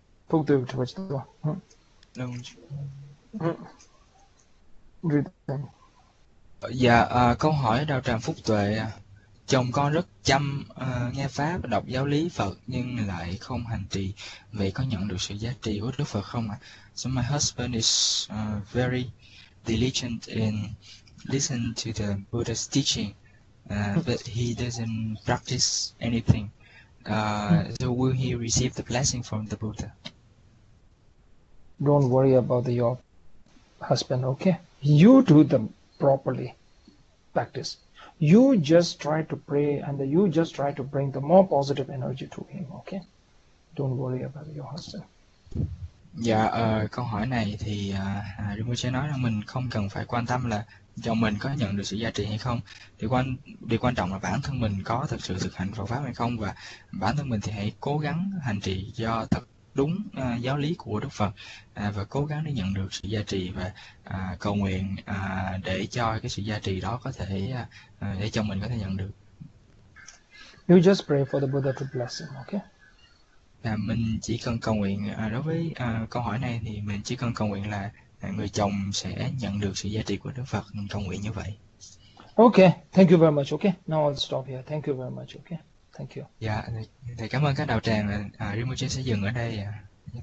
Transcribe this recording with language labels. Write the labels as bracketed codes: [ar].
[en] Book to which the one? No. Read them. [vi] Dạ, câu hỏi ở Đạo Tràng Phúc Tuệ. Chồng con rất chăm nghe Pháp, đọc giáo lý Phật nhưng lại không hành trì. Vậy có nhận được sự giá trị của Đức Phật không ạ? [en] So my husband is very diligent in listen to the Buddha's teaching, but he doesn't practice anything. So will he receive the blessing from the Buddha? Don't worry about your husband, okay? You do them properly practice. You just try to pray and you just try to bring the more positive energy to him, okay? Don't worry about your husband. [vi] Dạ, câu hỏi này thì Rinpoche nói rằng mình không cần phải quan tâm là chồng mình có nhận được sự giá trị hay không. Điều quan trọng là bản thân mình có thực sự thực hành Phật pháp hay không, và bản thân mình thì hãy cố gắng hành trì cho thật đúng giáo lý của Đức Phật, và cố gắng để nhận được sự giá trị, và cầu nguyện để cho cái sự giá trị đó có thể để chồng mình có thể nhận được. [en] You just pray for the Buddha to bless him, okay? [vi] Là mình chỉ cần cầu nguyện, đối với câu hỏi này thì mình chỉ cần cầu nguyện là người chồng sẽ nhận được sự giá trị của Đức Phật, mình cầu nguyện như vậy. [en] Okay, thank you very much. Okay, now I'll stop here. Thank you very much. Okay, thank you. [vi] Dạ, thầy cảm ơn các đạo tràng, Rinpoche sẽ dừng ở đây. [en] Thank you,